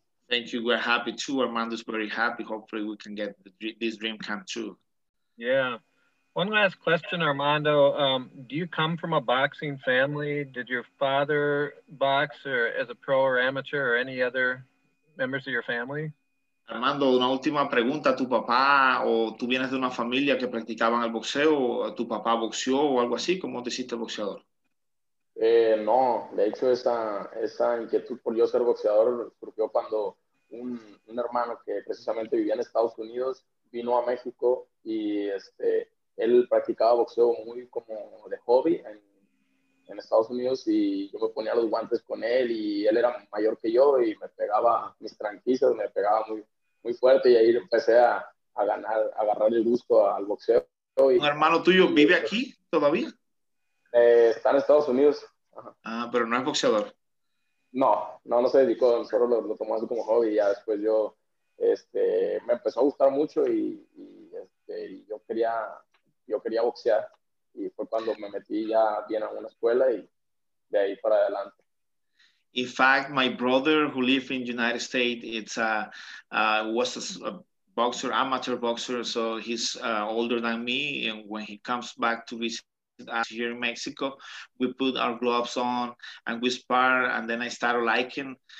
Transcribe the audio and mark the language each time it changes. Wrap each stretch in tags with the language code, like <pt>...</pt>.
<en>Thank you. We're happy too. Armando's very happy. Hopefully we can get this dream come true. Yeah. One last question, Armando. Do you come from a boxing family? Did your father box or as a pro or amateur or any other members of your family?</en> <es>Armando, una última pregunta. ¿Tu papá o tú vienes de una familia que practicaban el boxeo? ¿Tu papá boxeó o algo así? ¿Cómo te hiciste boxeador? No, de hecho, esa inquietud por yo ser boxeador surgió cuando un hermano que precisamente vivía en Estados Unidos vino a México y él practicaba boxeo muy como de hobby en Estados Unidos, y yo me ponía los guantes con él, y él era mayor que yo y me pegaba mis tranquilas, me pegaba muy, muy fuerte, y ahí empecé a ganar, a agarrar el gusto al boxeo. ¿Un hermano tuyo vive aquí todavía? Está en Estados Unidos. Ajá. Ah, pero no es boxeador. No se dedicó, solo lo tomó así como hobby, y ya después yo me empezó a gustar mucho y yo quería boxear. Y fue cuando me metí ya bien a una escuela y de ahí para adelante.</es> <en>In fact, my brother who lives in the United States, it's was a boxer, amateur boxer, so he's older than me. And when he comes back to visit us here in Mexico, we put our gloves on and we spar, and then I started liking.</en>